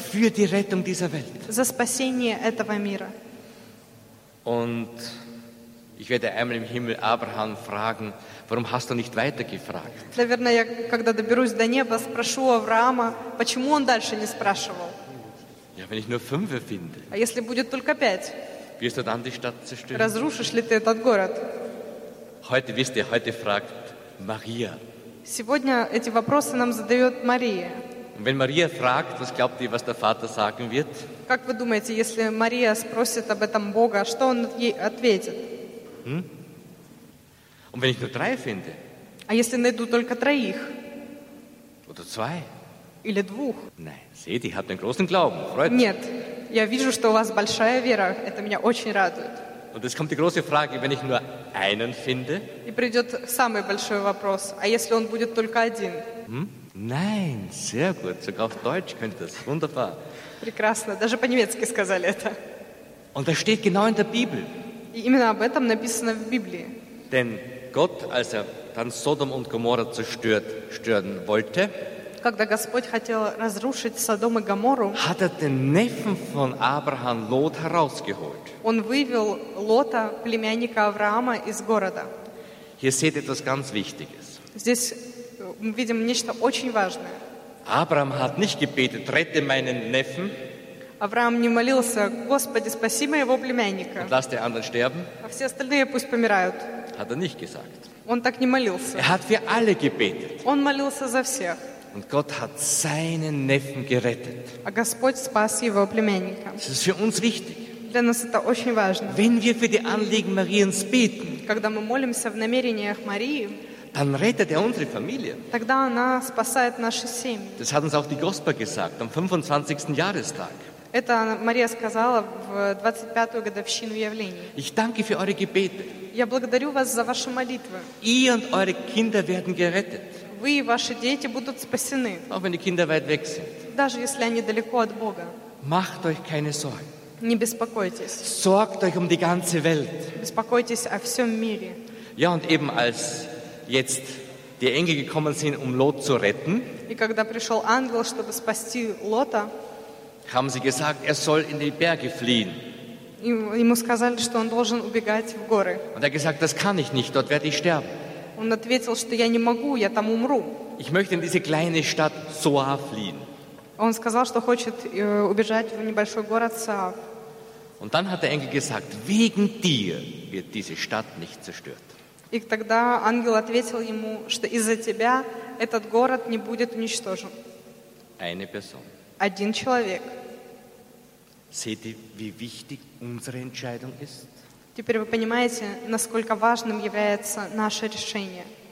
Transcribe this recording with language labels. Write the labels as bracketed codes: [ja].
[de] Für die Rettung dieser Welt. [ru] За спасение этого мира. [de] Und ich werde einmal im Himmel Abraham fragen, warum hast du nicht weiter gefragt? [ru] Наверное, я когда доберусь до неба, спрошу Авраама, почему он дальше не спрашивал? [de] Ja, wenn ich nur fünf finde. [ru] А если будет только пять? [de] Wirst du dann die Stadt zerstören? [ru] Разрушишь ли ты этот город? [de] Heute wisst ihr, heute fragt Maria. [ru] Сегодня эти вопросы нам задает Мария. [de] Und wenn Maria fragt, was glaubt ihr, was der Vater sagen wird? [ru] Как вы думаете, если Мария спросит об этом Бога, что он ей ответит? [de] Und wenn ich nur drei finde? [ru] А если найду только троих? [de] Oder zwei? [ru] Или двух? [de] Nein, seht, ich habe den großen Glauben. Freut. [ru] Нет, я вижу, что у вас большая вера. Это меня очень радует. [de] Und es kommt die große Frage, wenn ich nur einen finde? [ru] И придет самый большой вопрос. А если он будет только один? [de] Nein, sehr gut. Sogar auf Deutsch könnte das. Wunderbar. [ru] Прекрасно. Даже по-немецки сказали это. [de] Und das steht genau in der Bibel. [ru] И именно об этом написано в Библии. [de] Denn Gott, als er dann Sodom und Gomorra zerstören wollte, [ru] когда Господь хотел разрушить Содом и Гоморру, [de] hat er den Neffen von Abraham Lot herausgeholt. [ru] Он вывел Лота, племянника Авраама, из города. [de] Hier seht etwas ganz Wichtiges. [ru] Здесь мы видим нечто очень важное. [de] Abraham hat nicht gebetet, rette meinen Neffen. [ru] Авраам не молился: Господи, спаси моего племянника. [de] Und lass die anderen sterben. [ru] А все остальные пусть помирают. [de] Hat er nicht gesagt. [ru] Он так не молился. [de] Er hat für alle gebetet. [ru] Он молился за всех. [de] Und Gott hat seinen Neffen gerettet. [ru] А Господь спас его племянника. [de] Das ist für uns wichtig. [ru] Для нас это очень важно. [de] Wenn wir für die Anliegen Mariens beten, [ru] когда мы молимся в намерениях Марии, [de] dann rettet er unsere Familie. [ru] Тогда она спасает наши семьи. [de] Das hat uns auch die Gospa gesagt am 25. Jahrestag. [ru] Это Мария сказала в 25-ю годовщину явления. [de] Ich danke für eure Gebete. [ru] Я благодарю вас за ваши молитвы. [de] Ihr und eure Kinder werden gerettet. [ru] Вы и ваши дети будут спасены. [de] Auch wenn die Kinder weit weg sind. [ru] Даже если они далеко от Бога. [de] Macht euch keine Sorgen. [ru] Не беспокойтесь. [de] Sorgt euch um die ganze Welt. [ru] Беспокойтесь о всем мире. [de] Ja, und eben als jetzt die Engel gekommen sind, um Lot zu retten. [ru] И когда пришел ангел, чтобы спасти Лота. [de] Haben sie gesagt, er soll in die Berge fliehen. [ru] Ему сказали, что он должен убегать в горы. [de] Und er gesagt, das kann ich nicht, dort werde ich sterben. [ru] Он ответил, что я не могу, я там умру. [de] Ich möchte in diese kleine Stadt Zoar fliehen. [ru] Он сказал, что хочет убежать в небольшой город Zoar. [de] Und dann hat der Engel gesagt, wegen dir wird diese Stadt nicht zerstört. [ru] И тогда ангел ответил ему, что из-за тебя этот город не будет уничтожен. [de] Eine Person. [ru] Один человек. [de] Seht ihr, wie wichtig unsere Entscheidung ist? [ru] Теперь вы понимаете, насколько важным является наше решение.